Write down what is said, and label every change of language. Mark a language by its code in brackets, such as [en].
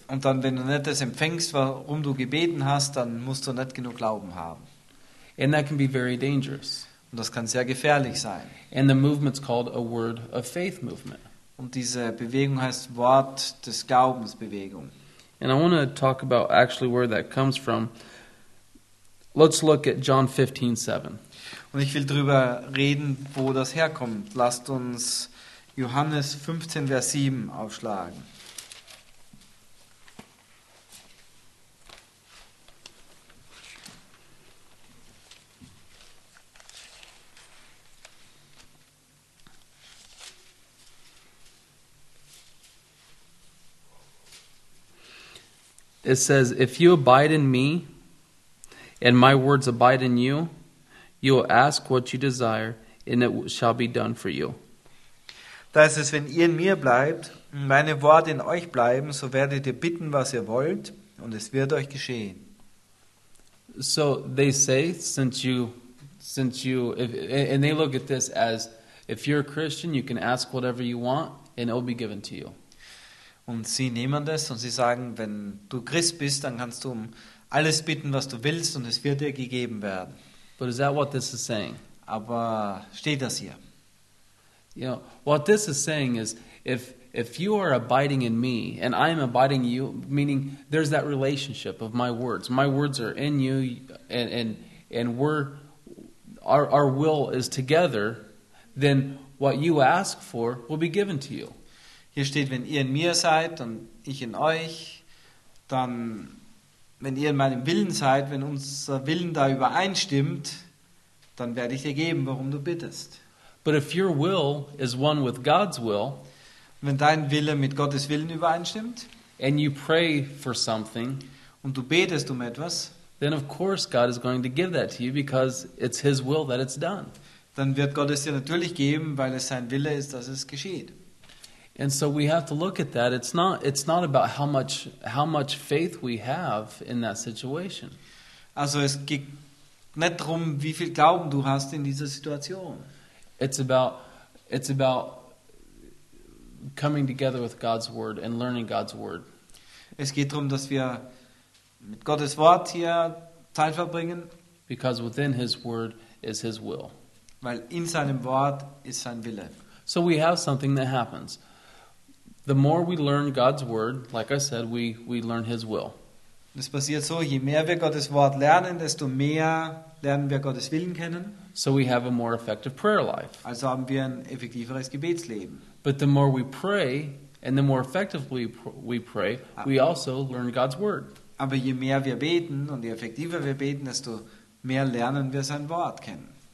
[de] Und dann, wenn du nicht das empfängst, worum du gebeten hast, dann musst du nicht genug Glauben haben. [en] And that can be very dangerous. [de] Und das kann sehr gefährlich sein. [en] And the movement's called a word of faith movement. [de] Und diese Bewegung heißt Wort des Glaubens Bewegung. [en] And I want to talk about actually where that comes from. Let's look at John 15:7. [de] Und ich will drüber reden, wo das herkommt. Lasst uns Johannes 15, Vers 7 aufschlagen. [en] It says, if you abide in me and my words abide in you, you will ask what you desire and it shall be done for you. [de] Das ist, wenn ihr in mir bleibt und meine Worte in euch bleiben, so werdet ihr bitten, was ihr wollt, und es wird euch geschehen. [en] So they say, since you, if, and they look at this as, if you're a Christian, you can ask whatever you want, and it will be given to you. [de] Und sie nehmen das und sie sagen, wenn du Christ bist, dann kannst du um alles bitten, was du willst, und es wird dir gegeben werden. [en] But is that what this is saying? [de] Aber steht das hier? [en] You know, what this is saying is, if you are abiding in me and I am abiding in you, meaning there's that relationship of my words. My words are in you, and we're our will is together. Then what you ask for will be given to you. [de] Hier steht, wenn ihr in mir seid und ich in euch, dann wenn ihr in meinem Willen seid, wenn unser Willen da übereinstimmt, dann werde ich dir geben, worum du bittest. [en] But if your will is one with God's will, [de] wenn dein Wille mit Gottes Willen übereinstimmt, [en] and you pray for something, [de] und du betest um etwas, [en] then of course God is going to give that to you because it's His will that it's done. [de] Dann wird Gott es dir natürlich geben, weil es sein Wille ist, dass es geschieht. [en] And so we have to look at that. It's not about how much faith we have in that situation. [de] Also es geht nicht darum, wie viel Glauben du hast in dieser Situation. [en] It's about coming together with God's word and learning God's word. [de] Es geht darum, dass wir mit Gottes Wort hier Zeit verbringen. [en] Because within His word is His will. [de] Weil in seinem Wort ist sein Wille. [en] So we have something that happens. The more we learn God's word, like I said, we learn His will. [de] Es passiert so: Je mehr wir Gottes Wort lernen, desto mehr lernen wir Gottes Willen kennen. [en] So we have a more effective prayer life. [de] Also haben wir ein effektiveres Gebetsleben. [en] But the more we pray and the more effectively we pray, we also learn God's word. [de] Aber je mehr wir beten und je effektiver wir beten, desto mehr lernen wir sein Wort kennen.